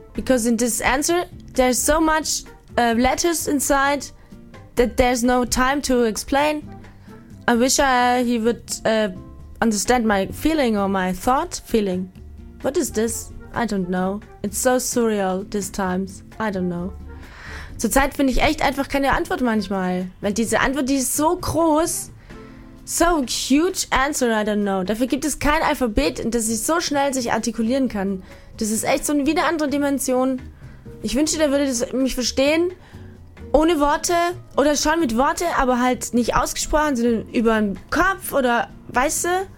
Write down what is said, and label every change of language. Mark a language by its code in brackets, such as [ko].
[en] Because in this answer, there's so much letters inside that there's no time to explain. I wish he would understand my feeling or my thought feeling. What is this? I don't know. It's so surreal these times. I don't know. [de] Zurzeit finde ich echt einfach keine Antwort manchmal. Weil diese Antwort, die ist so groß, [en] so huge answer, I don't know. [de] Dafür gibt es kein Alphabet, das sich so schnell sich artikulieren kann. Das ist echt so eine wieder andere Dimension. Ich wünschte, der würde das mich verstehen. Ohne Worte oder schon mit Worte, aber halt nicht ausgesprochen, sondern über den Kopf oder weißt du?